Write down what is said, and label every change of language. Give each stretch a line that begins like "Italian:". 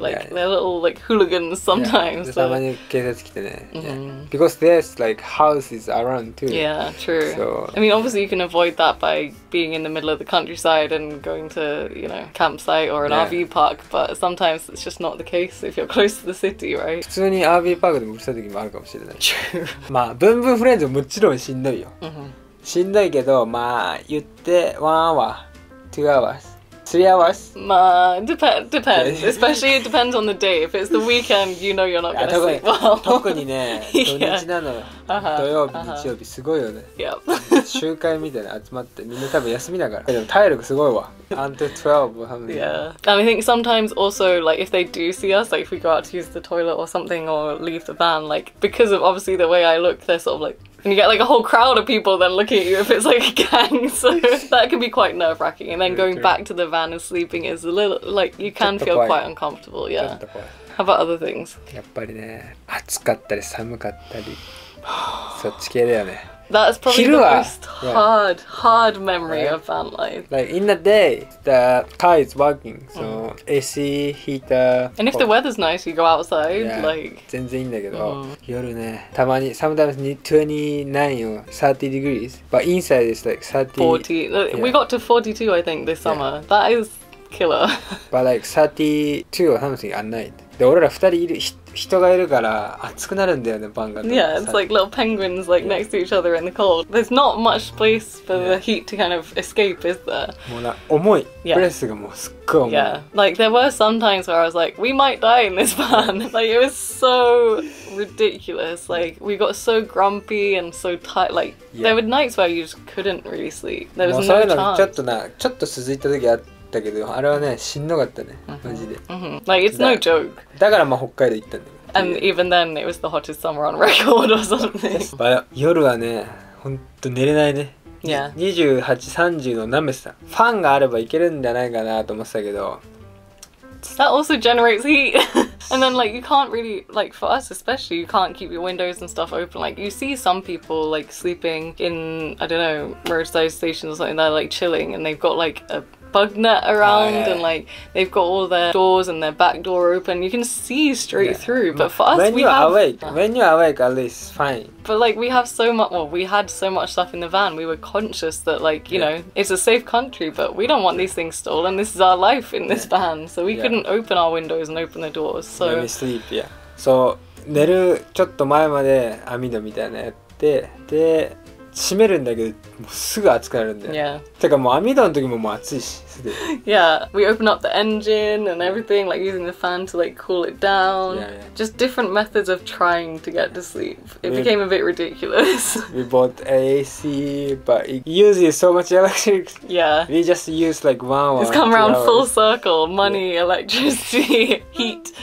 English: Like, they're little, like, hooligans sometimes.
Japanese: たまに警察来てね。
English: Because there's, like, houses around too. Yeah, true. So, I mean, obviously, you can avoid that by being in the middle of the countryside and going to, you know, campsite or an RV park, but sometimes it's just not the case if you're close to the city, right?
Japanese: 普通に RV パークでもうるさい時もあるかもしれない。
English: True.
Japanese: まあ、ブンブンフレンズももちろんしんどいよ。しんどいけど、まあ、言って
English: 1 hour, 2 hours. 3 hours? まあ、depends. Especially it depends on the day. If it's the weekend, you know you're not gonna sleep well.
Japanese: 特にね、土日なの。土曜日、日曜日、すごいよね。集会みたいな集まって、みんな多分休みだから。でも体力すごいわ。
English: Until 12 or something. Yeah. And I think sometimes also, like, if they do see us, like, if we go out to use the toilet or something or leave the van, like, because of obviously the way I look, they're sort of like... And you get like a whole crowd of people then looking at you if it's like a gang. So that can be quite nerve wracking. And then going back to the van and sleeping is a little like you can feel quite uncomfortable. Yeah. How about other things?
Japanese: やっぱりね、暑かったり寒かったり、そっち系だよね。
English: That's probably the most hard, hard memory of van life. Like in the day, the car is working, so AC, heater. And if the weather's nice, you go outside. Yeah, like,
Japanese: 全然いいんだけど、夜ね、たまに
English: sometimes 29 or 30 degrees, but inside it's like 30. 40. Yeah. We got to 42, I think, this summer. Yeah. That is killer. But like 32 or something at night.
Japanese: で俺ら二人いる人がいるから暑くなるんだよねバンガと。
English: Yeah, it's like little penguins like next to each other in the cold. There's not much place for the heat to kind of escape, is there?
Japanese: もうな重い。プレスがもうすっごい重い。
English: Yeah, like there were some times where I was like, we might die in this van. Like it was so ridiculous. Like we got so grumpy and so tired. Like there were nights where you just couldn't really sleep. There was no chance.
Japanese: もうそういうのちょっとな、ちょっと続いた時あって。だけどあれはね、しんどかったね、マジで。
English: Like, it's no joke.
Japanese: だからまあ北海道行ったんだよ。
English: And even then, it was the hottest summer on record or something.
Japanese: 夜はね、ほんと寝れないね。
English: Yeah.
Japanese: 28、30のナムさん。ファンがあればいけるんじゃないかなと思ってたけど。
English: That also generates heat. And then, like, you can't really, like, for us especially, you can't keep your windows and stuff open. Like, you see some people, like, sleeping in, I don't know, roadside stations or something, they're, like, chilling, and they've got, like, a bug net around, and, like, they've got all their doors and their back door open. You can see straight through, but for us, When you're awake, at least, fine. But, like, we have so much, well, we had so much stuff in the van, we were conscious that, like, you know, it's a safe country, but we don't want these things stolen. This is our life in this van, so we couldn't open our windows and open the doors, so... Let me sleep, So,
Japanese: 寝るちょっと前まで網戸みたいなやって、で、閉めるんだけど、もうすぐ熱くなるんだよ。てかもう網戸の時ももう熱いし、すでに。
English: Yeah, we open up the engine and everything, like using the fan to like cool it down. Just different methods of trying to get to sleep. It became a bit ridiculous. We bought AC, but it uses so much electric. Yeah. We just use like 1 hour. It's come round full circle. Money, electricity, heat.